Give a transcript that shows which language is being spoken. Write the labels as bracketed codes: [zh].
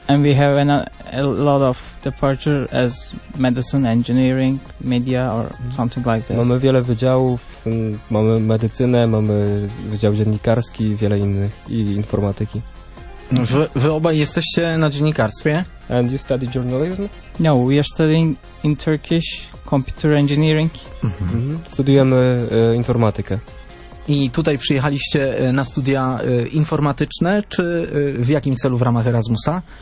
[en] And we have a lot of departure as medicine, engineering, media or something like that. [pl] Mamy wiele wydziałów, mamy medycynę, mamy wydział dziennikarski, wiele innych i informatyki. Wy obaj jesteście na dziennikarstwie? [en] And you study journalism? No, we are studying in Turkish computer engineering. [pl] Studiujemy informatykę. I tutaj przyjechaliście na studia informatyczne, czy w jakim celu, w ramach Erasmusa?